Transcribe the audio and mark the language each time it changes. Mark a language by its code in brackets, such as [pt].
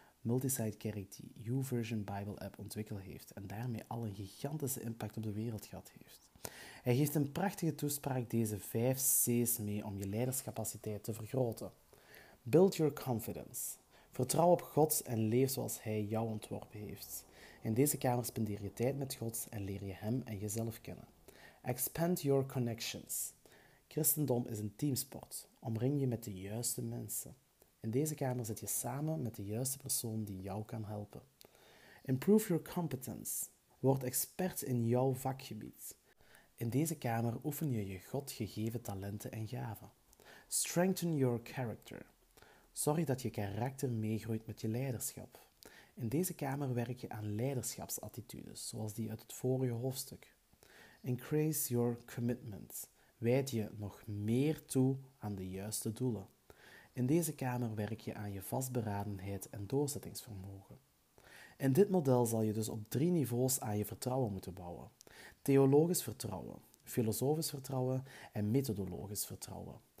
[nl] Multisite Kerk die YouVersion Bible App ontwikkeld heeft en daarmee al een gigantische impact op de wereld gehad heeft. Hij geeft een prachtige toespraak deze 5 C's mee om je leiderscapaciteit te vergroten. [en] Build your confidence. [nl] Vertrouw op God en leef zoals Hij jou ontworpen heeft. In deze kamer spendeer je tijd met God en leer je Hem en jezelf kennen. [en] Expand your connections. [nl] Christendom is een teamsport. Omring je met de juiste mensen. In deze kamer zit je samen met de juiste persoon die jou kan helpen. [en] Improve your competence. [nl] Word expert in jouw vakgebied. In deze kamer oefen je je God gegeven talenten en gaven. [en] Strengthen your character. [nl] Zorg dat je karakter meegroeit met je leiderschap. In deze kamer werk je aan leiderschapsattitudes, zoals die uit het vorige hoofdstuk. [en] Increase your commitment. [nl] Wijd je nog meer toe aan de juiste doelen. In deze kamer werk je aan je vastberadenheid en doorzettingsvermogen. In dit model zal je dus op 3 niveaus aan je vertrouwen moeten bouwen. Theologisch vertrouwen, filosofisch vertrouwen en methodologisch vertrouwen.